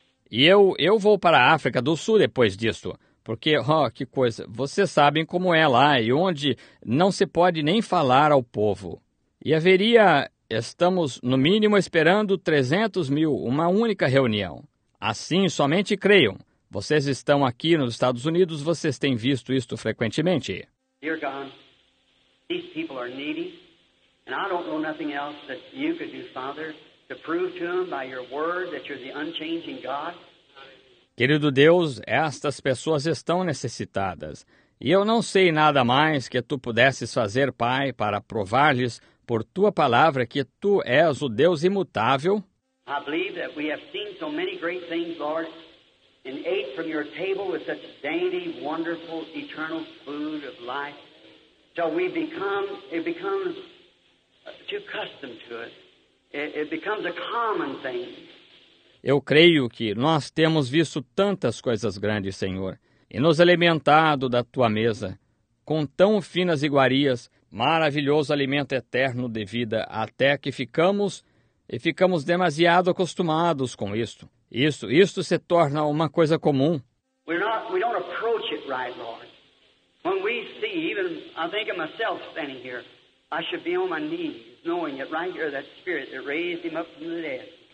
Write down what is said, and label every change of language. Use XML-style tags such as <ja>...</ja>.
<pt>E eu vou para a África do Sul depois disto, porque, que coisa, vocês sabem como é lá e onde não se pode nem falar ao povo. E haveria, estamos no mínimo esperando 300 mil, uma única reunião. Assim, somente creiam. Vocês estão aqui nos Estados Unidos, vocês têm visto isto frequentemente.</pt> <en>Dear God, these people are needy, and I don't know nothing else that you could do, Father, to prove to them by your word that you're the unchanging God.</en> <pt>Querido Deus, estas pessoas estão necessitadas, e eu não sei nada mais que tu pudesses fazer, Pai, para provar-lhes por tua palavra que tu és o Deus imutável.</pt> <en>I believe that we have seen so many great things, Lord, and ate from your table with such dainty, wonderful, eternal food of life, till we become, it becomes too accustomed to it. It becomes a common thing.</en> <pt>Eu creio que nós temos visto tantas coisas grandes, Senhor, e nos alimentado da Tua mesa, com tão finas iguarias, maravilhoso alimento eterno de vida, até que ficamos demasiado acostumados com isto. Isto se torna uma coisa comum.</pt> <en>We don't approach it right, Lord. When we see, even I think of myself standing here, I should be on my knees, knowing that right here that Spirit that raised Him up from the dead.</en>